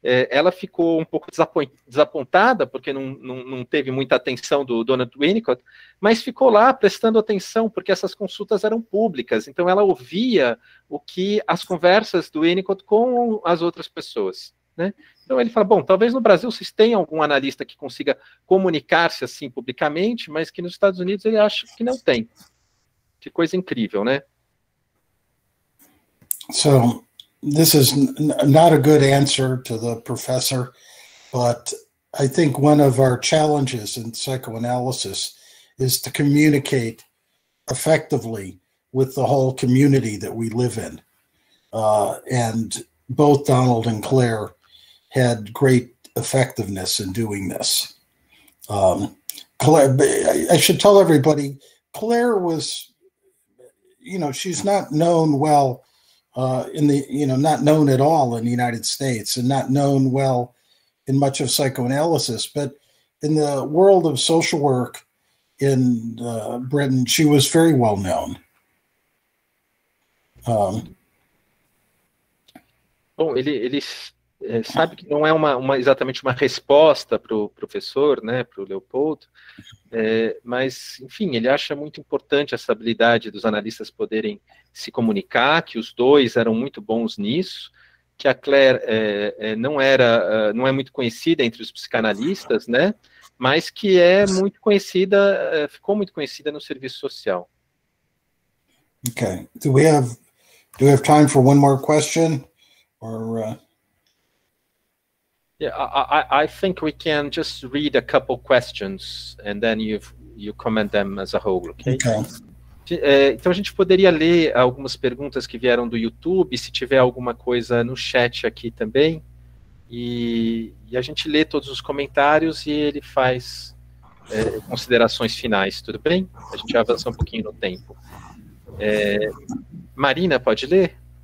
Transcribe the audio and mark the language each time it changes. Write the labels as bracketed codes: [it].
[pt] Ela ficou um pouco desapontada, porque não teve muita atenção do Donald Winnicott, mas ficou lá prestando atenção, porque essas consultas eram públicas, então ela ouvia o que as conversas do Winnicott com as outras pessoas. Né? Então ele fala, bom, talvez no Brasil vocês tenham algum analista que consiga comunicar-se assim publicamente, mas que nos Estados Unidos ele acha que não tem. Que coisa incrível, né? [en] So, this is not a good answer to the professor, but I think one of our challenges in psychoanalysis is to communicate effectively with the whole community that we live in. And both Donald and Claire had great effectiveness in doing this. Claire, I should tell everybody, Claire was, you know, she's not known well not known at all in the United States and not known well in much of psychoanalysis, but in the world of social work in Britain, she was very well known. [pt] Bom, ele sabe que não é exatamente uma resposta para o professor, né, para o Leopoldo, mas, enfim, ele acha muito importante essa habilidade dos analistas poderem se comunicar, que os dois eram muito bons nisso, que a Claire não é muito conhecida entre os psicanalistas, né, mas que é muito conhecida, ficou muito conhecida no serviço social. [en] Ok. Do we have time for one more question? Or, Yeah, I think we can just read a couple questions and then you comment them as a whole, okay? Okay. [pt] Então a gente poderia ler algumas perguntas que vieram do YouTube, se tiver alguma coisa no chat aqui também, e a gente lê todos os comentários e ele faz considerações finais, tudo bem? A gente avança um pouquinho no tempo. Marina, pode ler?